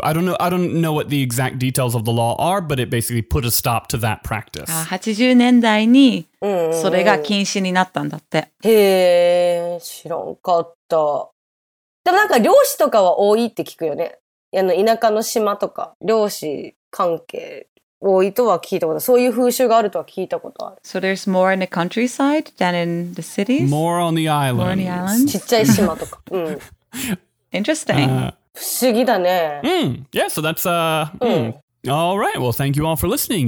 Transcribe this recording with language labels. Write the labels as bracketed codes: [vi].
[en] I don't know what the exact details of the law are, but it basically put a stop to that practice. [ja] 80年代にそれが禁止になったんだって。へぇ、知らんかった。でもなんか漁師とかは多いって聞くよね。あの田舎の島とか、漁師関係。多いとは聞いたこと、そういう風習があるとは聞いたことある。 [en] So there's more in the countryside than in the cities? More on the islands. More on the islands? [ja] ちっちゃい島とか。 [en] Interesting. [ja] 不思議だね。 [en] Yeah, so that's... All right, well, thank you all for listening.